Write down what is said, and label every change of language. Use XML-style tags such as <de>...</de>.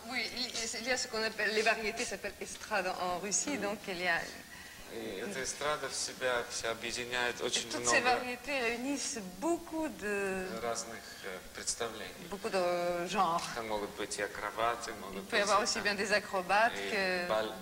<fr>Oui, il y a ce qu'on appelle, les variétés s'appellent эстрада en Russie, donc il y a...</fr> <ru>Эта эстрада в себя вся объединяет очень много...</ru> <fr>Toutes ces variétés réunissent beaucoup de...</fr> <ru>Разных представлений.</ru> <fr>Beaucoup de genres.</fr> <ru>Там могут быть и акробаты, могут быть...</ru> <fr>Il peut y avoir aussi bien des acrobates que...</fr>